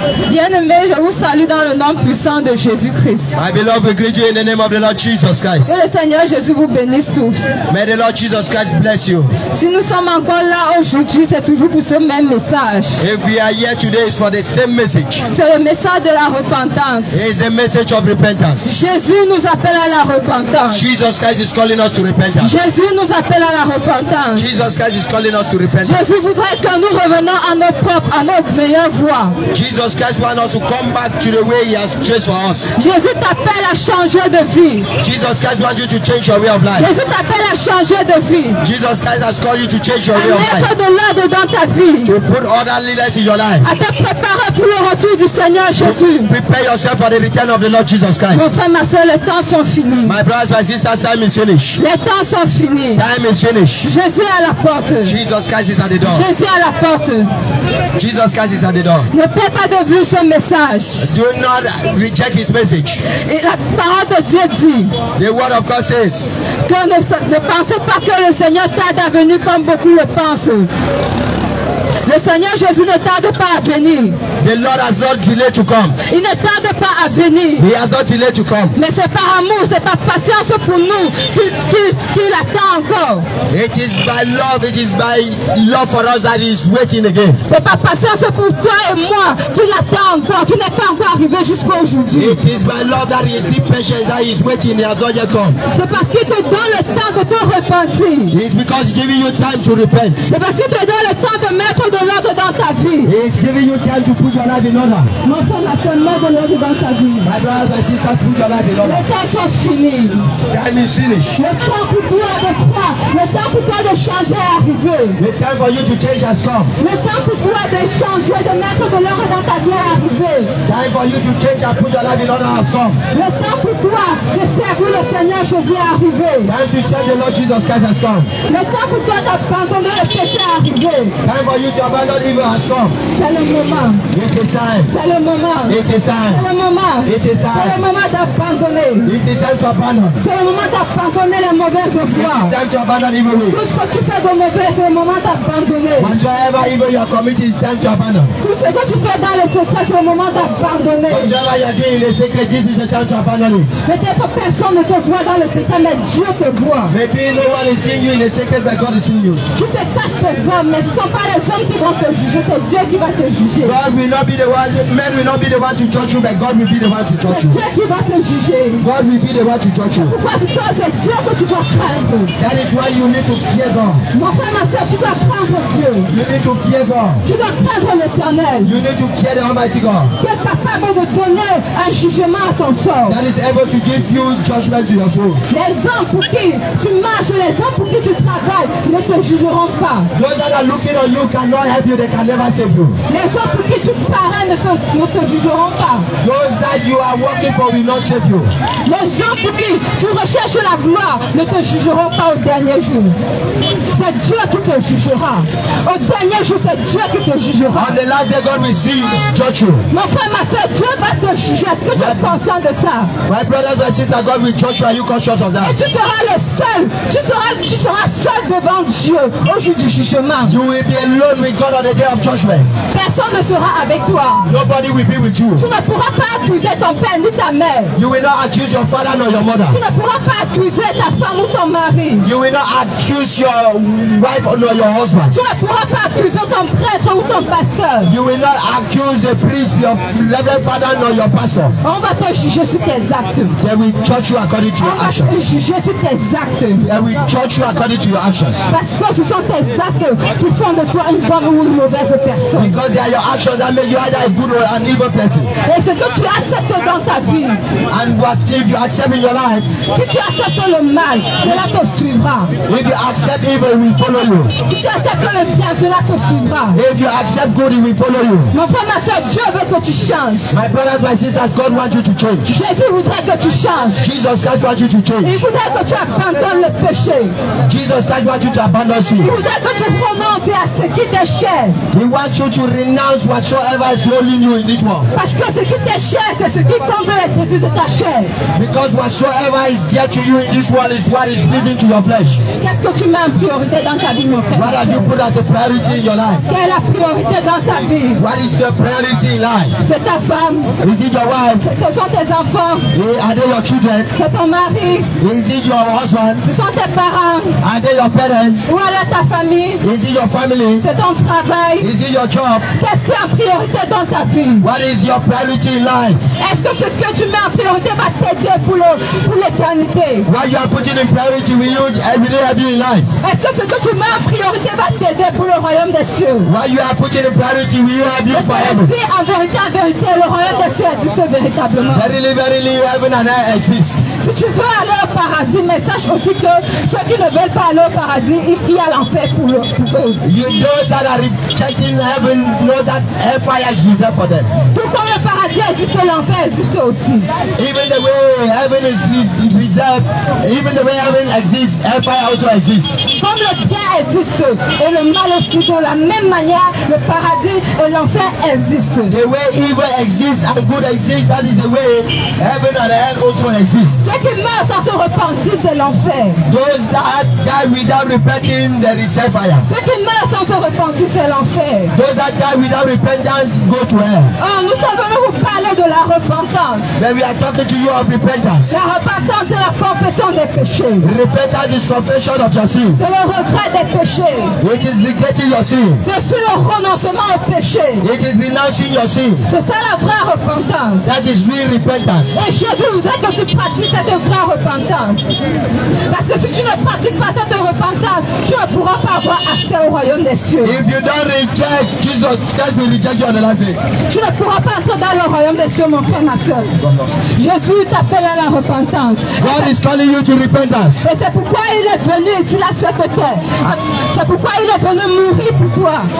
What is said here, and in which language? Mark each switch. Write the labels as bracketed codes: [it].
[fr] Bien-aimé, je vous salue dans le nom puissant de Jésus-Christ. [en] My beloved, greet you in the name of the Lord Jesus Christ. [fr] Que le Seigneur Jésus vous bénisse tous. [en] May the Lord Jesus Christ bless you. [fr] Si nous sommes encore là aujourd'hui, c'est toujours pour ce même message. [en] If we are here today, it's for the same message. [fr] C'est le message de la repentance. [en] It's the message of repentance. [fr] Jésus nous appelle à la repentance. [en] Jesus Christ is calling us to repentance. [fr] Jésus nous appelle à la repentance. [en] Jesus Christ is calling us to repentance. [fr] Jésus voudrait que nous revenions à nos propres, à notre meilleure voie. [en] Jesus Christ wants us to come back to the way He has chosen for us. [fr] Jésus t'appelle à changer de vie. [en] Jesus Christ wants you to change your way of life. [fr] Jésus t'appelle à changer de vie. [en] Jesus Christ has called you to change your way of life. [fr] À mettre de l'ordre dans ta vie. [en] To put orderliness in your life. [fr] À te préparer pour le retour du Seigneur Jésus. [en] To prepare yourself for the return of the Lord Jesus Christ. [fr] Mon frère, ma soeur, les temps sont finis. [en] My brothers, my sisters, time is finished. [fr] Les temps sont finis. [en] Time is finished. [fr] Jésus est à la porte. [en] Jesus Christ is at the door. [fr] Jésus est à la porte. [en] Jesus Christ is at the door. [fr] Ne perds pas de vue son message. [en] Do not reject His message. [fr] Et la parole de Dieu dit. [en] The word of God says. [fr] Que ne pensez pas que le Seigneur tarde à venir comme beaucoup le pensent. Le Seigneur Jésus ne tarde pas à venir. [en] The Lord has not delayed to come. [fr] Il ne tarde pas à venir. [en] He has not delayed to come. [fr] Mais c'est par amour, c'est par patience pour nous qu'il attend encore. [en] It is by love, it is by love for us that he is waiting again. [fr] C'est par patience pour toi et moi qu'il attend encore, qu'il n'est pas encore arrivé jusqu'à aujourd'hui. [en] It is by love that he is patient, that he is waiting, he has not yet come. [fr] C'est parce qu'il te donne le temps de te repentir. [en] It is because he's giving you time to repent. [fr] C'est parce qu'il te donne le temps de mettre de l'ordre dans ta vie. [en] He is giving you time to put your life in order. [fr] Mon frère, ma soeur, mets de l'ordre dans ta vie. [en] My brothers and sisters, put your life in order. [fr] Le temps sont finis. [en] Time is finished. [fr] Le temps pour toi de croire, le temps pour toi de changer est arrivé. [en] The time for you to change yourself. [fr] Le temps pour toi de changer, de mettre de l'ordre dans ta vie est arrivé. [en] Time for you to change and put your life in order yourself. [fr] Le temps pour toi de servir le Seigneur Jésus est arrivé. [en] Time to serve the Lord Jesus Christ yourself. [fr] Le temps pour toi d'abandonner le péché est arrivé. [en] Time for you to God will not be the one. Man will not be the one to judge you, but God will be the one to judge you. [fr] Dieu qui va te juger. [en] God will be the one to judge you. [fr] Pourquoi tu sors? C'est Dieu que tu dois craindre. [en] That is why you need to fear God. [fr] Mon frère, ma soeur, tu dois craindre Dieu. [en] You need to fear God. [fr] Tu dois craindre l'Éternel. [en] You need to fear the Almighty God. [fr] Qui est capable de donner un jugement à ton sort. [en] That is able people to give you judgment to your soul. [fr] Les hommes pour qui tu marches, les hommes pour qui tu travailles, ne te jugeront pas. [en] Those that are looking on you cannot help you, they can never save you. [fr] Les hommes pour qui tu parles ne te jugeront pas. [en] Those that you are working for will not save you. [fr] Les gens pour qui tu recherches la gloire ne te jugeront pas au dernier jour. C'est Dieu qui te jugera. Au dernier jour, c'est Dieu qui te jugera. [en] On the last day, God will see you, judge you. [fr] Mon frère, ma soeur, Dieu va te juger. Est-ce que tu es conscient de ça? [en] My brothers and sisters, God will judge you. Are you conscious of that? [fr] Et tu seras le seul. Tu seras seul devant Dieu au jour du jugement. [en] You will be alone with God on the day of judgment. [fr] Personne ne sera avec toi. [en] Nobody will be with you. [fr] Tu ne pourras pas accuser ton père ni ta mère. [en] You will not accuse your father nor your mother. [fr] Tu ne pourras pas accuser ta femme ou ton mari. [en] You will not accuse your wife or your husband. [fr] Tu ne pourras pas accuser ton prêtre ou ton pasteur. [en] You will not accuse the priest, your reverend father, nor your pastor. [fr] On va te juger sur tes actes. [en] They will judge you according to your actions. [fr] On va te juger sur tes actes. [en] They will judge you according to your actions. [fr] Parce que ce sont tes actes qui font de toi une bonne ou une mauvaise personne. [en] Because they are your actions that make you either a good or an evil person. [fr] Et ce que tu acceptes dans ta vie. [en] And what if you accept in your life? [fr] Si tu acceptes le mal, cela te suivra. [en] If you accept evil, it will follow you. [fr] Si tu acceptes le bien, cela te suivra. [en] If you accept good, it will follow you. [fr] Mon frère, ma soeur, Dieu veut que tu changes. [en] My brothers, my sisters, God wants you to change. [fr] Jésus voudrait que tu changes. [en] Jesus Christ wants you to change. [fr] Il voudrait que tu abandonnes le péché. [en] Jesus Christ wants you to abandon sin. [fr] Il voudrait que tu renonces à ce qui t'est cher. [en] He wants you to renounce whatsoever is holding you in this world. [fr] Parce que ce qui t'est cher, c'est ce qui comble les désirs de ta chair. [en] Because whatsoever is dear to you in this world is what is pleasing to your flesh. [fr] Qu'est-ce que tu mets en priorité dans ta vie, mon frère? [en] What have you put as a priority in your life? [fr] Quelle est la priorité dans ta vie? [en] What is your priority in life? [fr] C'est ta femme. [en] Is it your wife? [fr] Ce sont tes enfants. [en] Are they your children? [fr] C'est ton mari. [en] Is it your husband? [fr] Ce sont tes parents. [en] Are they your parents? [fr] Où est ta famille? [en] Is it your family? [fr] C'est ton travail. [en] Is it your job? [fr] Qu'est-ce qui est en priorité dans ta vie? [en] What is your priority in life? [fr] Est-ce que ce que tu mets en priorité va t'aider pour l'éternité? [en] What you are putting in priority with you every day in life? [fr] Est-ce que ce que tu mets en priorité va t'aider pour le royaume des cieux? [en] What you are putting in priority with you have you forever? [fr] Dis en vérité, le royaume des cieux existe véritablement. [en] Verily, verily, heaven and earth exist. [fr] Si tu veux aller au paradis, mais sache aussi que ceux qui ne veulent pas aller au paradis, il y a l'enfer pour eux. [en] You know that are rejecting heaven know that hellfire is reserved for them. [fr] Tout comme le paradis existe, l'enfer existe aussi. [en] Even the way heaven is reserved, even the way heaven exists, hellfire also exists. [fr] Comme le bien existe et le mal aussi, de la même manière, le paradis et l'enfer existent. [en] The way evil exists and good exists, that is the way heaven and hell also exist. [fr] Ceux qui meurent sans se repentir, c'est l'enfer. [en] Those that die without repenting, there is hellfire. [fr] Ceux qui meurent sans se repentir, c'est l'enfer. [en] Those that die without repentance go to hell. [fr] Oh, nous sommes venus vous parler de la repentance. [en] Then we are talking to you of repentance. [fr] La repentance, c'est la confession des péchés. [en] Repentance is confession of your sin. [fr] C'est le regret des péchés. [en] It is regretting your sin. [fr] C'est sur le renoncement au péché. [en] It is renouncing your sin. [fr] C'est ça la vraie repentance. [en] That is real repentance. [fr] Et Jésus voudrait que tu pratiques cette vraie repentance. Parce que si tu ne pratiques pas cette repentance, tu ne pourras pas avoir accès au royaume des cieux. [en] If you don't reject Jesus, Christ will reject you on the last day. [fr] Tu ne pourras pas entrer dans le royaume des cieux, mon frère, ma soeur. Jésus t'appelle à la repentance. [en] God is calling you to repentance. [fr] Et c'est pourquoi il est venu ici là sur cette terre. C'est pourquoi il est venu mourir pour toi.